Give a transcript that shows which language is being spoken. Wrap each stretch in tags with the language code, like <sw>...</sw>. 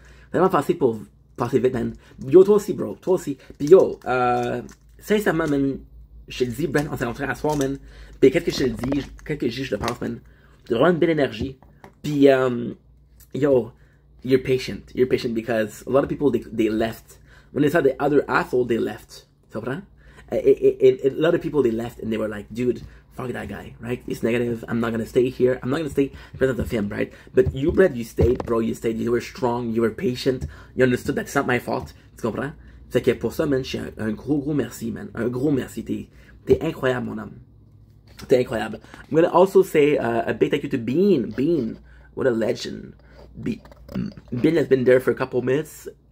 <fr>Vraiment passer vite, man. Yo, toi aussi, bro. Toi aussi. Pis yo, sincèrement, man, je te le dis, Brett, on s'est rentré à soir, man. Pis qu'est-ce que je te le dis, qu'est-ce que je le pense, man. T'as vraiment une belle énergie. Pis, yo,</fr> <en>you're patient. You're patient because a lot of people, they left. When they saw the other asshole, they left.</en> <fr>Tu comprends?</fr> <en>A lot of people, they left and they were like, dude, fuck that guy, right? He's negative. I'm not gonna stay here. I'm not gonna stay in front of the film, right? But you, Brad, you stayed, bro. You stayed. You were strong. You were patient. You understood that it's not my fault.</en> <fr>Tu comprends? Fait que pour ça, man, je suis un gros, gros merci, man. Un gros merci. T'es incroyable, mon homme. T'es incroyable.</fr> <en>I'm gonna also say a big thank you to Bean. Bean, what a legend. Bean has been there for a couple minutes.</en>